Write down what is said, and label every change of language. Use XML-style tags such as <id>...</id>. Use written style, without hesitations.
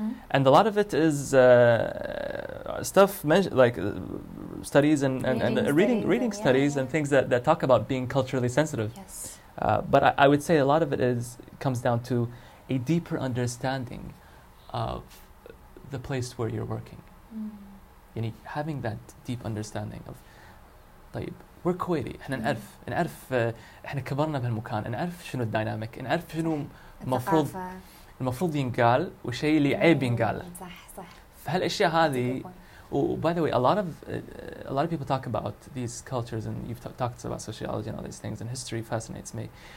<en>And a lot of it is studies and reading studies and things that talk about being culturally sensitive. But I would say a lot of it comes down to a deeper understanding of the place where you're working. You need having that deep understanding of,</en> <ar>طيب,</ar> <en>we're Kuwaiti,</en> <ar>احنا نعرف, نعرف احنا كبرنا بهالمكان, نعرف شنو الديناميك, نعرف شنو المفروض ينقال وشي اللي عيب ينقال. فهالاشياء هذه,</ar> <en>by the way, a lot of people talk about these cultures, and you've talked about sociology and all these things, and history fascinates me.</en>